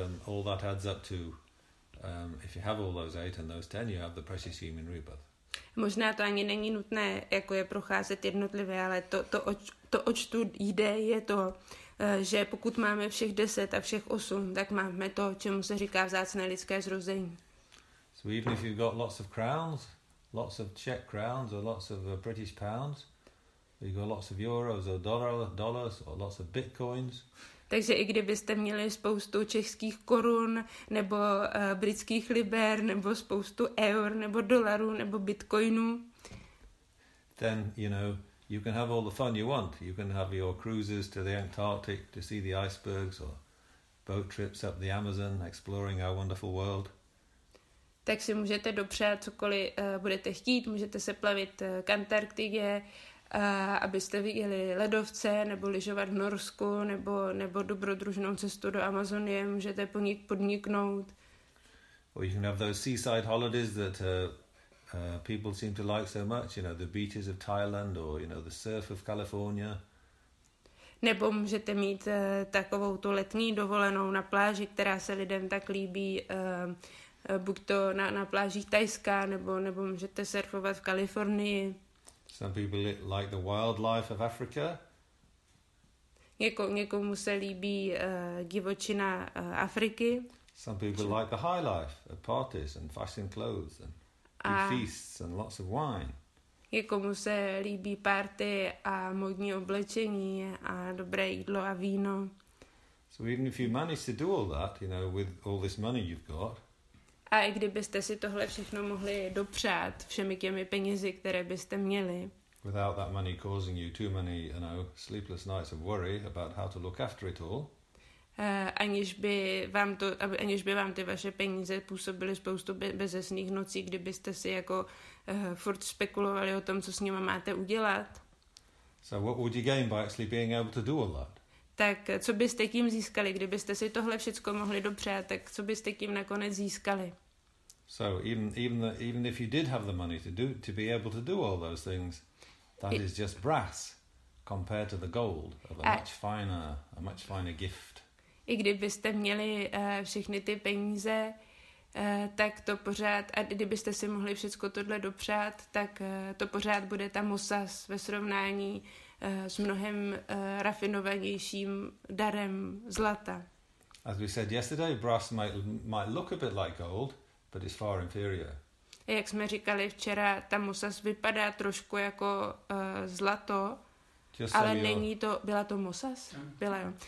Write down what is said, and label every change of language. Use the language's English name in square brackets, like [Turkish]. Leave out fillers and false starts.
[English] All that adds up to, if you have all those eight and those ten, you have the precious human rebirth. [Czech] Možná to ani není nutné, jako je procházet jednotlivě, ale to oč tu jde, je to, že pokud máme všech deset a všech osm, tak máme to, čemu se říká vzácné lidské zrození. [English] So even if you've got lots of crowns, lots of Czech crowns or lots of British pounds, you got lots of euros or dollars or lots of bitcoins. [Czech] Takže i kdybyste měli spoustu českých korun nebo britských liber nebo spoustu eur nebo dolarů nebo bitcoinů. [English] Then, you know, you can have all the fun you want. You can have your cruises to the Antarctic to see the icebergs or boat trips up the Amazon exploring our wonderful world. [Czech] Tak si můžete dopřát cokoliv budete chtít, můžete se plavit k Antarktidě. Abyste viděli ledovce, nebo lyžovat v Norsku, nebo dobrodružnou cestu do Amazonie, můžete po ní podniknout. [English] Or you can have those seaside holidays that people seem to like so much, you know, the beaches of Thailand, or, you know, the surf of California. [Czech] Nebo můžete mít takovou tu letní dovolenou na pláži, která se lidem tak líbí, buď to na plážích Thajska, nebo můžete surfovat v Kalifornii. [English] Some people like the wildlife of Africa. [Czech] Někomu se líbí divočina Afriky. [English] Some people like the high life of parties and fashion clothes and big feasts and lots of wine. [Czech] Někomu se líbí party a modní oblečení a dobré jídlo a víno. [English] So even if you manage to do all that, you know, with all this money you've got. [Czech] A i kdybyste si tohle všechno mohli dopřát všemi těmi penězi, které byste měli. [English] Without that money causing you too many, you know, sleepless nights of worry about how to look after it all. [Czech] Aniž by vám ty vaše peníze působily spoustu bezesných nocí, kdybyste si jako furt spekulovali o tom, co s nimi máte udělat. [English] So what would you gain by actually being able to do all that? [Czech] Tak co byste tím získali, kdybyste si tohle všechno mohli dopřát, tak co byste tím nakonec získali? [English] So even if you did have the money to be able to do all those things, that is just brass compared to the gold of a much finer gift. [Czech] I kdybyste měli všechny ty peníze, tak to pořád, a kdybyste si mohli všechno tohle dopřát, tak to pořád bude ta mosas ve srovnání s mnohem rafinovanějším darem zlata. [English] As we said yesterday, brass might look a bit like gold, but it's far inferior. [Czech] Jak jsme říkali včera, ta mosas vypadá trošku jako zlato, just ale so není to, byla to mosas? Byla, jo.